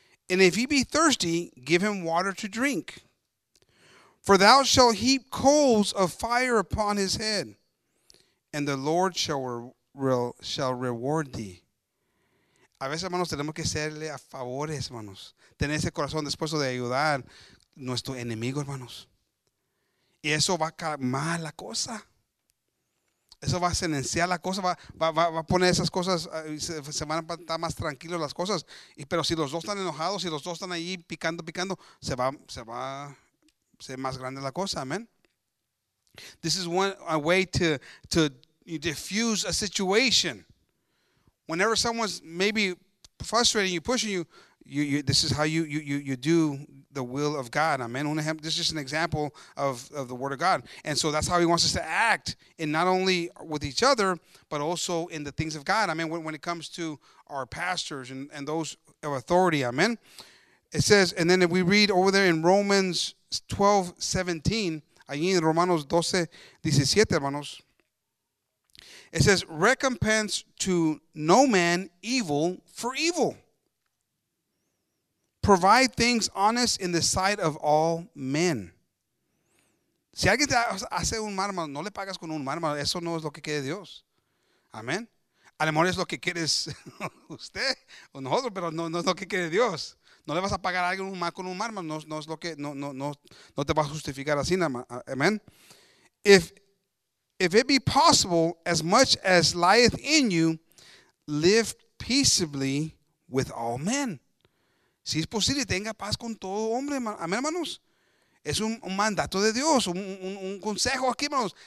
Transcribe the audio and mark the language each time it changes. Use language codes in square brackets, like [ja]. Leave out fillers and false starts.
[en] And if he be thirsty, give him water to drink. For thou shalt heap coals of fire upon his head, and the Lord shall reward thee. [es] A veces, hermanos, tenemos que hacerle a favores, hermanos. Tener ese corazón dispuesto de ayudar nuestro enemigo, hermanos. Y eso va a calmar la cosa. Eso va a silenciar la cosa, va a poner esas cosas, se van a estar más tranquilos las cosas. Y, pero si los dos están enojados, si los dos están ahí picando, se va a ser más grande la cosa. Amen. [en] This is a way to diffuse a situation. Whenever someone's maybe frustrating you, pushing you, this is how you do the will of God. Amen. This is just an example of the Word of God. And so that's how he wants us to act, in not only with each other, but also in the things of God. Amen. When it comes to our pastors and those of authority. Amen. It says, and then if we read over there in Romans 12:17, [es] allí en Romanos 12:17, hermanos, [en] it says, recompense to no man evil for evil. Provide things honest in the sight of all men. [es] Si alguien te hace un mal, hermano, no le pagas con un mal, hermano. Eso no es lo que quiere Dios. Amén. A lo mejor es lo que quiere usted o nosotros, pero no es lo que quiere Dios. No le vas a pagar a alguien un mal con un mal, hermano. No es lo que, no te va a justificar así, hermano. Amén. [en] If it be possible, as much as lieth in you, live peaceably with all men. [es] Si es posible, tenga paz con todo hombre. Amén, hermanos. Es un mandato de Dios, un consejo aquí, hermanos.